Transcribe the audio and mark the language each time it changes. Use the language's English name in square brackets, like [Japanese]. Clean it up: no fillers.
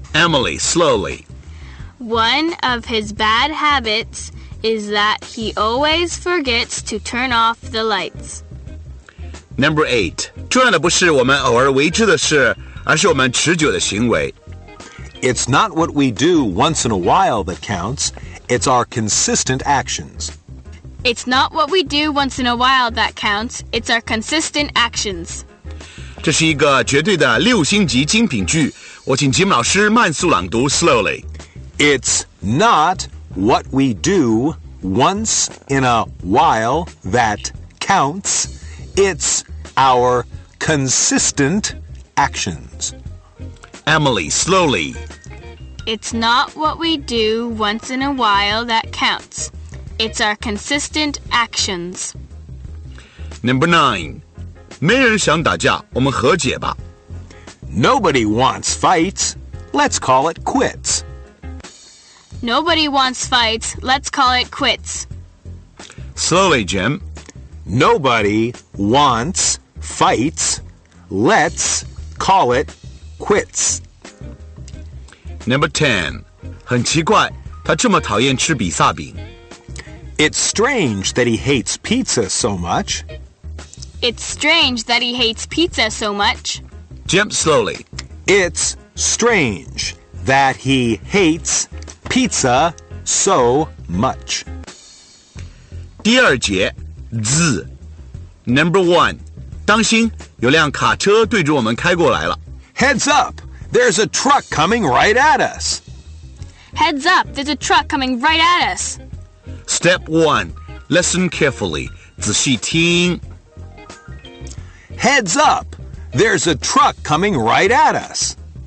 [English] Emily, slowly. One of his bad habits is that he always forgets to turn off the lights. Number 8. [Chinese] 重要的不是我们偶尔为之的事，而是我们持久的行为。 [English] It's not what we do once in a while that counts. It's our consistent actions. It's not what we do once in a while that counts. It's our consistent actions. [Chinese] 这是一个绝对的六星级精品句。我请吉姆老师慢速朗读 [English] slowly. It's not what we do once in a while that counts. It's our consistent actions. Emily, slowly. It's not what we do once in a while that counts. It's our consistent actions. Number 9. [Chinese] 没人想打架，我们和解吧。 [English] Nobody wants fights. Let's call it quits. Nobody wants fights. Let's call it quits. Slowly, Jim. Nobody wants fights. Let's call it quits. Number 10. [Chinese] 很奇怪，他这么讨厌吃比萨饼。 [English] It's strange that he hates pizza so much. It's strange that he hates pizza so much. Jim, slowly. It's strange that he hates... Pizza so much. [Chinese] 第二节 [English] z Number one. [Chinese] 当心，有辆卡车对着我们开过来了。 [English] Heads up, there's a truck coming right at us. Heads up, there's a truck coming right at us. Step one. Listen carefully. [Chinese] 仔细听。 [English] Heads up, there's a truck coming right at us.